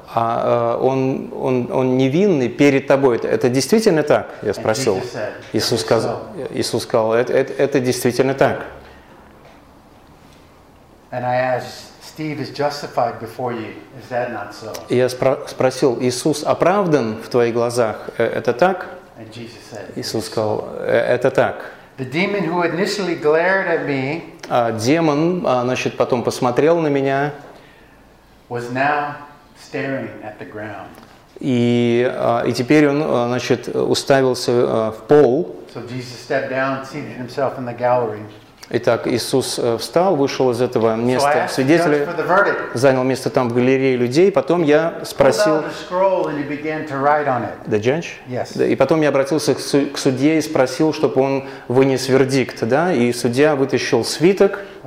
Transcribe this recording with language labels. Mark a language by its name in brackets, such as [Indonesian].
[Russian] Он невинный перед тобой. Это действительно так? Я спросил. Иисус сказал, это действительно так. [English] And I asked, Steve is justified before you, is that not so? [Russian] Я спросил, Иисус оправдан в твоих глазах, это так? [English] And Jesus said, [Russian] Иисус сказал, это так. [English] The demon who initially glared at me, [Russian] демон, значит, потом посмотрел на меня, [English] was now staring at the ground. [Russian] И теперь он, значит, уставился в пол. [English] So Jesus stepped down, seated himself in the gallery. [Russian] Итак, Иисус встал, вышел из этого места свидетеля, занял место там в галерее людей, потом я спросил... И потом я обратился к судье и спросил, чтобы он вынес вердикт, да? И судья вытащил свиток.